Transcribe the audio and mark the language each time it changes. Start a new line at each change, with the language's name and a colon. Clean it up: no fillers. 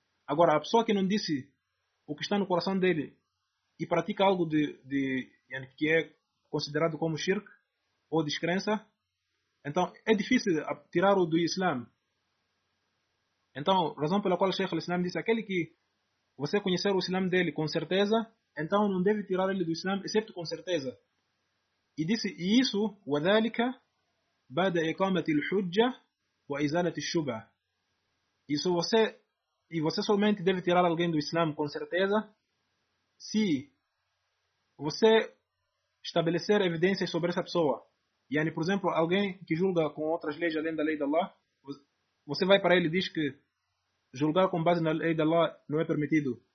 Portuguese: Agora, a pessoa que não disse o que está no coração dele e pratica algo que é considerado como shirk ou descrença, então é difícil tirar-o do Islam. Então, razão pela qual o Sheikh al-Islam disse: aquele que você conhecer o Islam dele com certeza, então não deve tirar ele do Islam, excepto com certeza. E disse: e isso,
Arabic: وَذَلِكَ بَدَ إِقَامَةِ الْحُجَّةِ وَإِزَالَةِ الشُّبَةِ.
Portuguese: Isso você e você somente deve tirar alguém do Islã, com certeza, se você estabelecer evidências sobre essa pessoa. E, por exemplo, alguém que julga com outras leis além da lei de Allah, você vai para ele e diz que julgar com base na lei de Allah não é permitido.